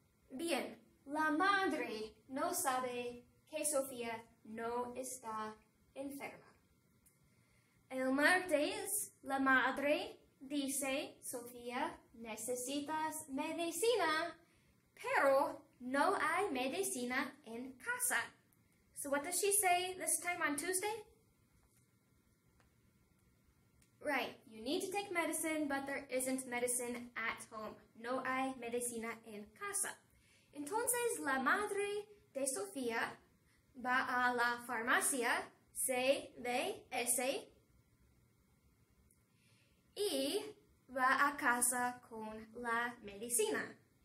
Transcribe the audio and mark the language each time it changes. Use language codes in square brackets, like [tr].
[es] Bien, la madre no sabe que Sofía no está enferma. El martes, la madre dice, Sofía, necesitas medicina, pero no hay medicina en casa. [en] So what does she say this time on Tuesday? Right, you need to take medicine, but there isn't medicine at home. [es] No hay medicina en casa. Entonces, la madre de Sofía va a la farmacia, se ve ese, y va a casa con la medicina.